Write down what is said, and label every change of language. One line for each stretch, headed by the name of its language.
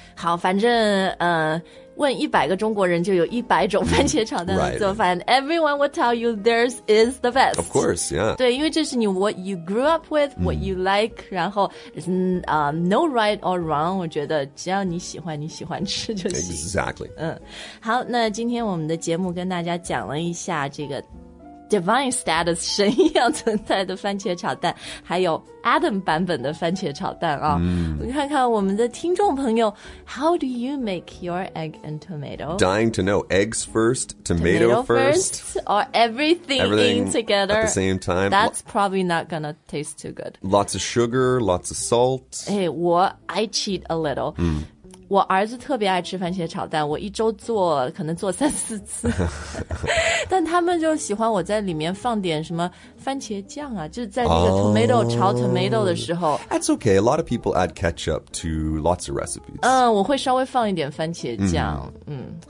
Chinese: 好，反正问100个中国人就有100种番茄炒蛋的做法。
English: Right. Everyone will tell you theirs is the best. Of course, yeah.
Chinese: 对，因为这是你
English: what you grew up with, what you like,、
Chinese: mm. 然后
English: there's no right or wrong,
Chinese: 我觉得只要你喜欢吃就行。
English: Exactly.
Chinese: 好，那今天我们的节目跟大家讲了一下这个Divine status 神一样存在的番茄炒蛋还有 Adam 版本的番茄炒蛋啊、 mm. 我看看我们的听众朋友
English: How do you make your egg and tomato? Dying to know Eggs first Tomato first Or everything in together At the same time That's probably not gonna taste too good Lots of sugar Lots of salt Hey, I cheat a little、 mm.
Chinese: 我儿子特别爱吃番茄炒蛋我一周做可能做三四次但他们就喜欢我在里面放点什么番茄酱啊就是在那个 tomato、oh, 炒 tomato 的时候
English: That's okay, a lot of people add ketchup to lots of recipes
Chinese: 我会稍微放一点番茄酱、mm.